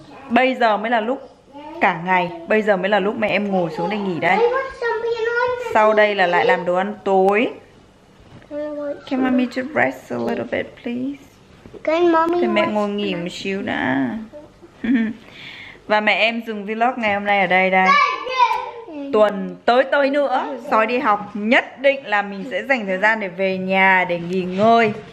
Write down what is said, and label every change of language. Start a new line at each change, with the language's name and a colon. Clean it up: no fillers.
Vietnamese: Bây giờ mới là lúc cả ngày, bây giờ mới là lúc mẹ em ngồi xuống để nghỉ đây. Sau đây là lại làm đồ ăn tối.
English: Can mommy just rest a little bit please? Can mommy
Vietnamese: thì mẹ ngồi nghỉ một xíu đã. Và mẹ em dừng vlog ngày hôm nay ở đây đây. Tuần tới nữa sói đi học nhất định là mình sẽ dành thời gian để về nhà để nghỉ ngơi.